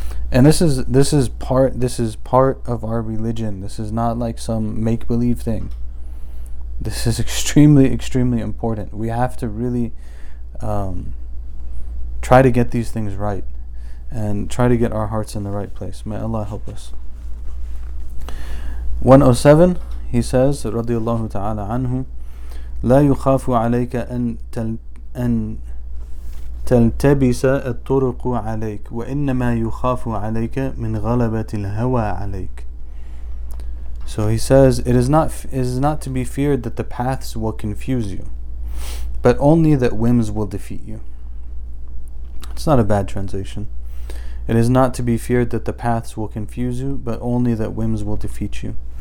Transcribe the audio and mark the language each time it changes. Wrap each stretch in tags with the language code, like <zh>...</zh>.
<en>And this is part of our religion. This is not like some make-believe thing. This is extremely, extremely important. We have to really try to get these things right and try to get our hearts in the right place. May Allah help us. 107, he says,</en> <ar>رضي الله تعالى عنه, لا يخاف عليك أن تلتبس الطرق عليك وإنما يخاف عليك من غلبة الهوى عليك.</ar> <en>So he says, it is not to be feared that the paths will confuse you, but only that whims will defeat you. It's not a bad translation. It is not to be feared that the paths will confuse you, but only that whims will defeat you.</en>